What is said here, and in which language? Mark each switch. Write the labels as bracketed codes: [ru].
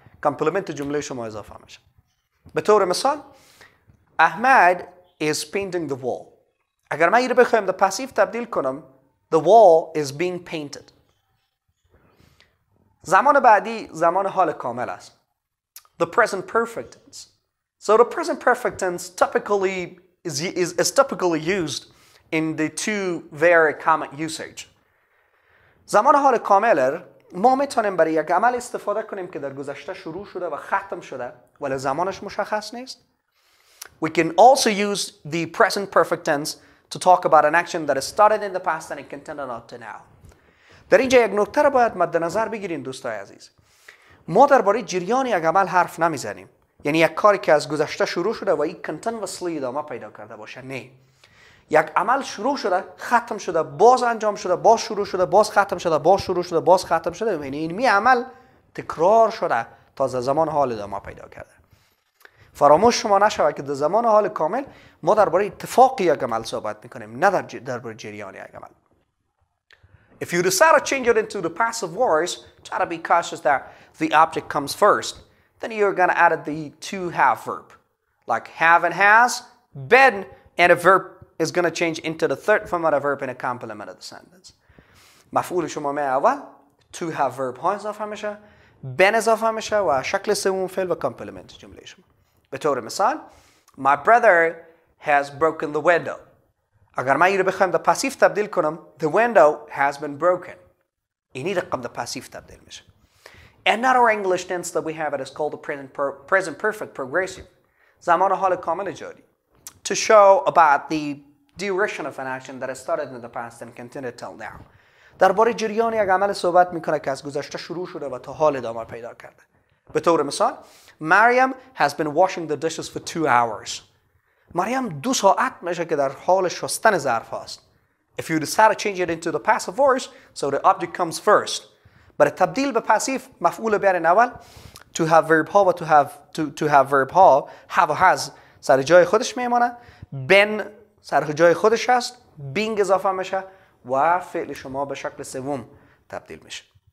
[fa] کامپلمنت جمله شما اضافه میشه. به طور مثال [en] Ahmad is painting the wall. [fa] اگر من اینو بخوام به پسیو تبدیل کنم [en] the wall is being painted. [fa] زمان بعدی زمان حال کامل است. [en] The present perfect tense. So the present perfect tense typically is typically used in the two very common usage. [fa] زمان حال کامل ما میتونیم برای یک عمل استفاده کنیم که در گذشته شروع شده و ختم شده ولی زمانش مشخص نیست. [en] We can also use the present perfect tense to talk about an action that has started in the past and it continued up to now. [fa] در اینجا یک نکته را باید مد نظر بگیرین دوستای عزیز. ما درباره جریان یک عمل حرف نمیزنیم. یعنی یک کاری که از گذشته شروع شده و یک continuously ادامه پیدا کرده باشه. نه. یک عمل شروع شده، ختم شده، باز انجام شده، باز شروع شده، باز ختم شده، باز شروع شده، باز ختم شده. یعنی این می عمل تکرار شده تا زمان حال ادامه پیدا کرده. فراموش شما نشود که در زمان حال کامل ما درباره اتفاقی یک عمل صحبت میکنیم نه درباره جریان یک عمل. [en] If you decide to change it into the passive voice, try to be cautious that the object comes first. Then you're going to add the two have verb. Like have and has, been, and a verb is going to change into the third form of a verb in a complement of the sentence. [fa] مفعول شما می اول two have verb ها اضافه میشه, been اضافه میشه و شکل سوم فعل و complement جمله شما. به طور مثال, [en] my brother has broken the window. [fa] اگر من اینو بخوام به پسیو تبدیل کنم, [en] the window has been broken. [fa] اینی رقم به پسیو تبدیل میشه. [en] Another English tense that we have it is called the present perfect progressive. [fa] زمان حال کامل جاری. [en] To show about the duration of an action that has started in the past and continued till now. [fa] درباره جریان یک عمل صحبت میکنه که از گذشته شروع شده و تا حال ادامه پیدا کرده. به طور مثال, [en] Mariam has been washing the dishes for 2 hours. [fa] مریم 2 ساعت میشه که در حال شستن ظرف است. [en] If you decide to change it into the passive voice, so the object comes first. [fa] برای تبدیل به پسیو مفعول بیارین اول, to have verb ها و to have verb ها, have و has سر جای خودش میمانه, been سر جای خودش است, being اضافه میشه و فعل شما به شکل سوم تبدیل میشه.